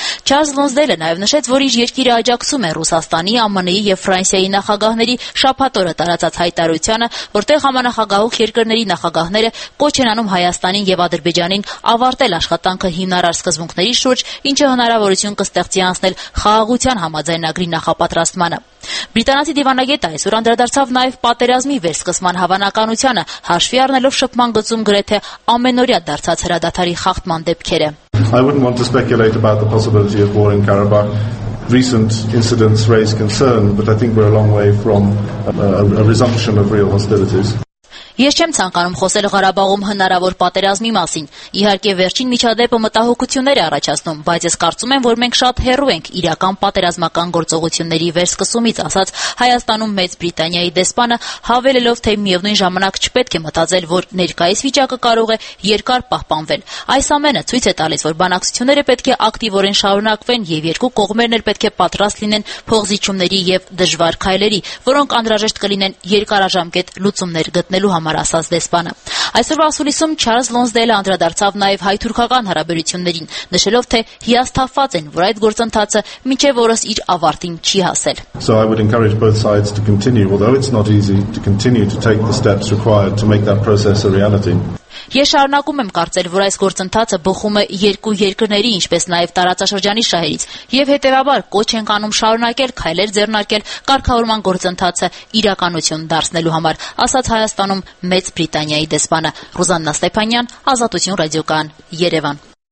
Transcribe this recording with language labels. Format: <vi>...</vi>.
<hy>Չարլզ Լոնզդելը նաև նշեց, որ իր երկիրը աջակցում է Ռուսաստանի, ԱՄՆ-ի և Ֆրանսիայի նախագահների շաբաթօրը տարածած հայտարարությանը, որտեղ համանախագահող երկրների նախագահները կոչ են անում Հայաստանին և Ադրբեջանին ավարտել աշխատանքը հիմնարար սկզբունքների շուրջ, ինչը հնարավորություն կստեղծի անցնել խաղաղության համաձայնագրի նախապատրաստմանը։ Բրիտանացի դիվանագետը այսօր անդրադարձավ նաև պատերազմի վերսկսման հավանականությանը, հաշվի առնելով շփման գծում գրեթե ամենօրյա դարձած հրադադարի խախտման դեպքերը։</hy> <en>I wouldn't want to speculate about the possibility of war in Karabakh. Recent incidents raise concern, but I think we're a long way from a resumption of real hostilities.</en> <hy>Ես չեմ ցանկանում խոսել Ղարաբաղում հնարավոր պատերազմի մասին։ Իհարկե վերջին միջադեպը մտահոգություններ է առաջացնում, բայց ես կարծում եմ, որ մենք շատ հեռու ենք իրական պատերազմական գործողությունների վերսկսումից, ասաց Հայաստանում Մեծ Բրիտանիայի դեսպանը, հավելելով, թե միևնույն ժամանակ չպետք է մտածել, որ ներկայիս վիճակը կարող է երկար պահպանվել։ Այս ամենը ցույց է տալիս, որ բանակցությունները պետք է ակտիվորեն շարունակվեն և երկու կողմերն էլ պետք է պատրաստ լինեն փոխզիջումների և դժվար քայլերի, որոնք անհրաժեշտ կլինեն երկարաժամկետ լուծումներ գտնելու համար, ասաց դեսպանը։ Այսօրվա ասուլիսում Չարլզ Լոնզդելը անդրադարձավ նաև հայ-թուրքական հարաբերություններին, նշելով, թե հիասթափված են, որ այդ գործընթացը մինչև օրս իր ավարտին չի հասել։</hy> <en>So I would encourage both sides to continue, although it's not easy to continue to take the steps required to make that process a reality.</en> <hy>Ես շարունակում եմ կարծել, որ այս գործընթացը բխում է երկու երկրների, ինչպես նաև տարածաշրջանի շահերից, և հետևաբար կոչ ենք անում շարունակել քայլեր ձեռնարկել կարգավորման գործընթացը իրականություն դարձնելու համար, ասաց Հայաստանում Մեծ Բրիտանիայի դեսպանը։ Ռուզաննա Ստեփանյան, Ազատություն ռադիոկան, Երևան։</hy>